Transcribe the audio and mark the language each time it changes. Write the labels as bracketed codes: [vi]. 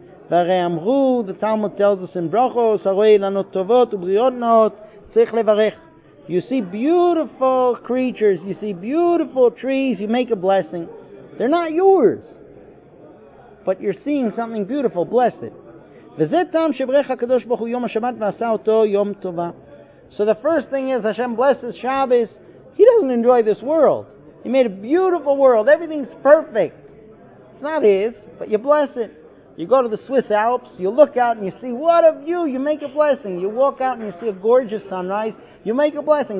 [he] V'arei amru, [en] the Talmud tells us in Brachos, [he] haroi lanot tovot ubriot not, tzich levarech. [en] You see beautiful creatures, you see beautiful trees, you make a blessing. They're not yours, but you're seeing something beautiful, blessed. [he] וזה טעם שברך הקדוש ברוך הוא יום השבת ועשה אותו יום טובה. [en] So the first thing is, Hashem blesses Shabbos. He doesn't enjoy this world. He made a beautiful world. Everything's perfect. It's not his, but you bless it. You go to the Swiss Alps, you look out and you see, what a view, you make a blessing. You walk out and you see a gorgeous sunrise, you make a blessing.